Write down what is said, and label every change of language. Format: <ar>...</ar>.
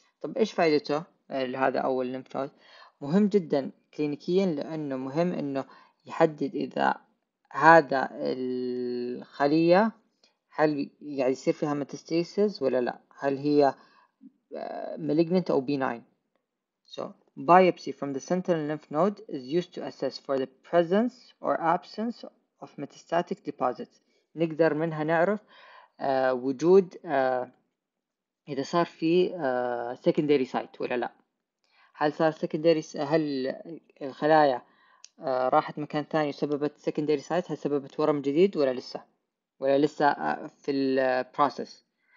<ar>طب ايش فائدته لهذا اول لينف نود؟ مهم جدا كلينيكيا لانه مهم انه يحدد اذا هذا الخلية هل يعني يصير فيها متاستيسيس ولا لا، هل هي malignant أو benign.</ar> <en>so biopsy from the central lymph node is used to assess for the presence or absence of metastatic deposits.</en> <ar>نقدر منها نعرف وجود إذا صار في secondary site ولا لا، هل صار secondary، هل الخلايا راحت مكان ثاني وسببت secondary site، هل سببت ورم جديد ولا لسه، ولا لسه في ال process.</ar>